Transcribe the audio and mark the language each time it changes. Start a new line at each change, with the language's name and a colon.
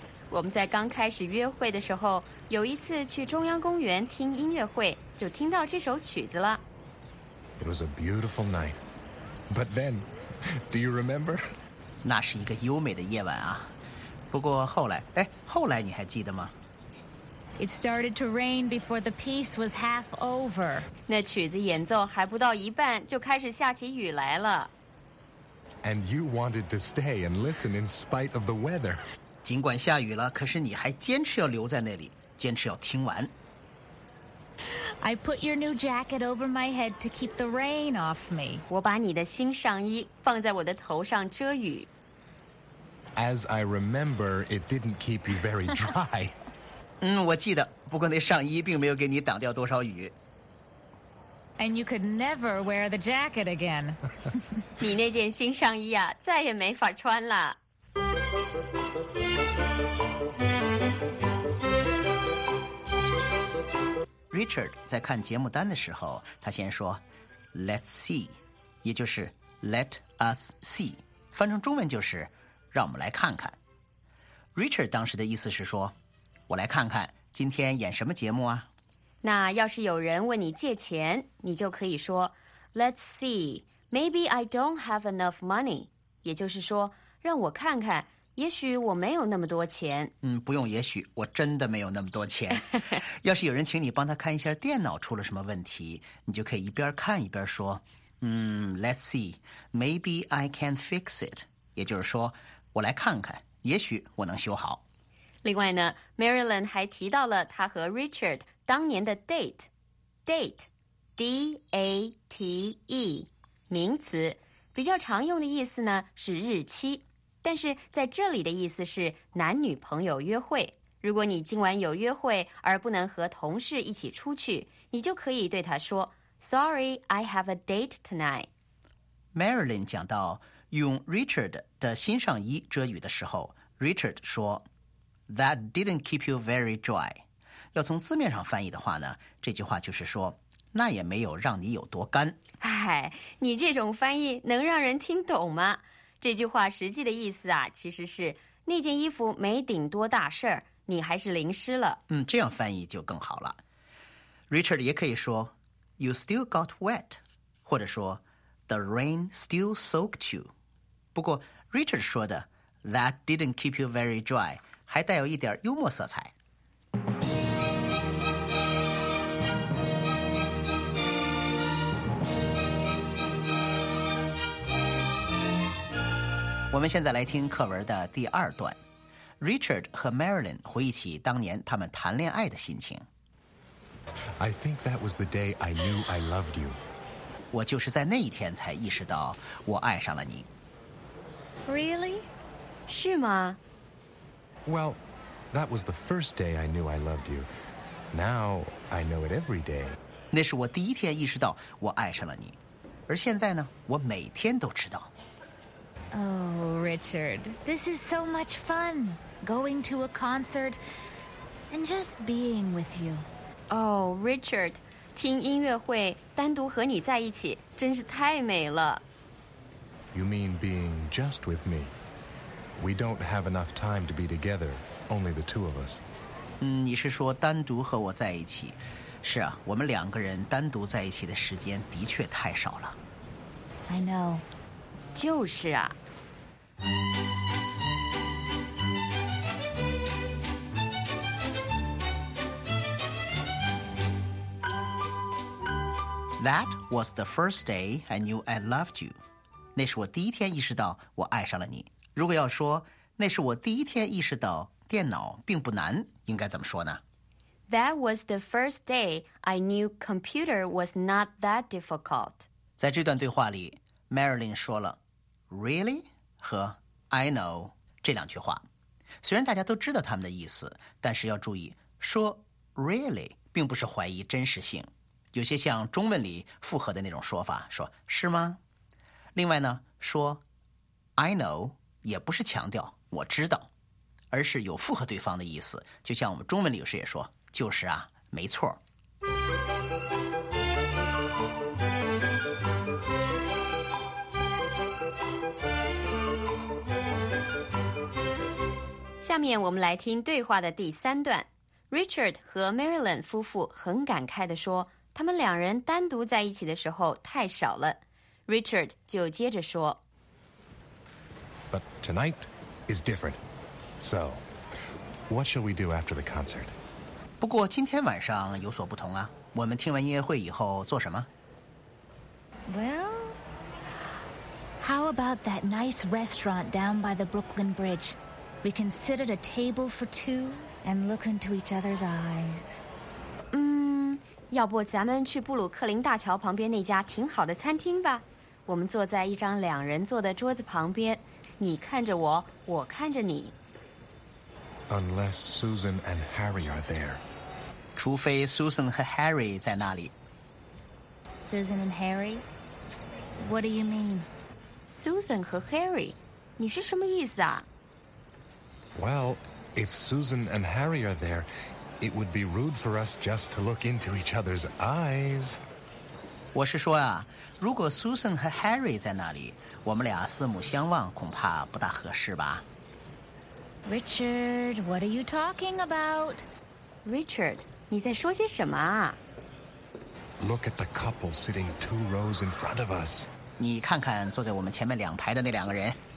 Chinese: 我们在刚开始约会的时候，有一次去中央公园听音乐会，就听到这首曲子了。
English: It was a beautiful night, but then, do you remember?
Chinese: 那是一个优美的夜晚啊。不过后来，哎，后来你还记得吗？
English: It started to rain before the piece was half over.
Chinese: 那曲子演奏还不到一半就开始下起雨来了。
English: And you wanted to stay and listen in spite of the weather.
Chinese: 尽管下雨了，可是你还坚持要留在那里，坚持要听完。
English: I put your new jacket over my head to keep the rain off me.
Chinese: 我把你的新上衣放在我的头上遮雨。
English: As I remember, it didn't keep you very dry.
Chinese: 嗯，我记得，不过那上衣并没有给你挡掉多少雨。
English: And you could never wear the jacket again.
Chinese: 你那件新上衣啊，再也没法穿了。 Richard 在看节目单的时候，他先说
English: "Let's see"，
Chinese: 也就是
English: "Let us see"，
Chinese: 翻成中文就是"让我们来看看"。 Richard 当时的意思是说。我来看看今天演什么节目啊？那要是有人问你借钱，你就可以说
English: Let's see, maybe I don't have enough money.
Chinese: 也就是说，让我看看，也许我没有那么多钱。嗯，不用也许，我真的没有那么多钱。要是有人请你帮他看一下电脑出了什么问题，你就可以一边看一边说，
English: Let's see, maybe I can fix it.
Chinese: 也就是说，我来看看，也许我能修好。另外呢 ，Marilyn 还提到了她和 Richard 当年的 date，date，D-A-T-E， 名词，比较常用的意思呢是日期，但是在这里的意思是男女朋友约会。如果你今晚有约会而不能和同事一起出去，你就可以对他说 ，
English: Sorry, I have a date tonight。
Chinese: Marilyn 讲到用 Richard 的新上衣遮雨的时候 ，Richard 说。
English: That didn't keep you very dry.
Chinese: 要从字面上翻译的话呢，这句话就是说，那也没有让你有多干。哎，你这种翻译能让人听懂吗？这句话实际的意思啊，其实是那件衣服没顶多大事儿，你还是淋湿了。嗯，这样翻译就更好了。 Richard 也可以说 ，
English: You still got wet，
Chinese: 或者说 ，
English: The rain still soaked you。
Chinese: 不过 Richard 说的
English: That didn't keep you very dry。
Chinese: 还带有一点幽默色彩。我们现在来听课文的第二段。Richard 和 Marilyn 回忆起当年他们谈恋爱的心情。
English: I think that was the day I knew I loved you.
Chinese: 我就是在那一天才意识到我爱上了你。
English: Really?
Chinese: 是吗？
English: Well, that was the first day I knew I loved you. Now, I know it every day.
Chinese: 那是我第一天意识到我爱上了你。而现在呢，我每天都知道。
English: Oh, Richard, this is so much fun. Going to a concert and just being with you.
Chinese: Oh, Richard, 听音乐会，单独和你在一起，真是太美了。
English: You mean being just with me? We don't have enough time to be together, only the two of us.
Chinese: 嗯，你是说单独和我在一起？是啊，我们两个人单独在一起的时间的确太少了。
English: I know.
Chinese: 就是啊。
English: That was the first day I knew I loved you.
Chinese: 那是我第一天意识到我爱上了你。如果要说那是我第一天意识到电脑并不难，应该怎么说呢
English: ？That was the first day I knew computer was not that difficult.
Chinese: 在这段对话里 ，Marilyn 说了 "really" 和
English: "I know"
Chinese: 这两句话。虽然大家都知道他们的意思，但是要注意，说 "really" 并不是怀疑真实性，有些像中文里附和的那种说法，说是吗？另外呢，说
English: "I know"。
Chinese: 也不是强调我知道，而是有附和对方的意思，就像我们中文里有时也说，就是啊，没错。下面我们来听对话的第三段。Richard 和 Marilyn 夫妇很感慨地说，他们两人单独在一起的时候太少了。 Richard 就接着说
English: ：“But tonight is different. So, what shall we do after the concert?
Chinese: 不过今天晚上有所不同啊。我们听完音乐会以后做什么
English: ？Well, how about that nice restaurant down by the Brooklyn Bridge? We can sit at a table for two.” And look into each other's eyes.
Chinese: 要不咱们去布鲁克林大桥旁边那家挺好的餐厅吧？我们坐在一张两人坐的桌子旁边，你看着我，我看着你。
English: Unless Susan and Harry are there.
Chinese: 除非 Susan 和 Harry 在那里。
English: Susan and Harry? What do you mean?
Chinese: Susan 和 Harry? 你是什么意思啊？
English: Well... If Susan and Harry are there, it would be rude for us just to look into each other's eyes.
Chinese: 我是说啊，如果 Susan 和 Harry 在那里，我们俩四目相望恐怕不大合适吧。
English: Richard, what are you talking about?
Chinese: Richard, 你在说些什么啊？
English: Look at the couple sitting two rows in front of us.
Chinese: 你看看坐在我们前面两排的那两个人。